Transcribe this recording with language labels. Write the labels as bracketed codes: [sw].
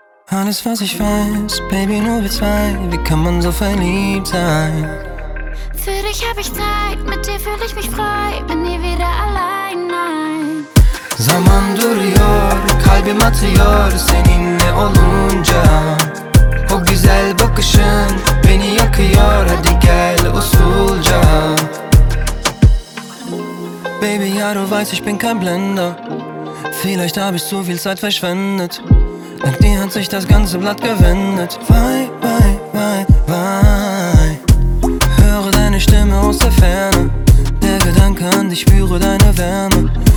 [de] Alles, was ich weiß, Baby, nur wir zwei, wie kann man so verliebt sein? Für dich hab ich Zeit, mit dir fühl ich mich frei, bin nie wieder allein, nein. [tr] Zaman duruyor, kalbim atıyor seninle olunca. O güzel bakışın beni yakıyor, hadi gel usulca. [de] Baby, ja, du weißt, ich bin kein Blender. Vielleicht hab ich zu viel Zeit verschwendet. Dank dir hat sich das ganze Blatt gewendet. Bye, bye, bye, bye. Höre deine Stimme aus der Ferne. Der Gedanke an dich, spüre deine Wärme.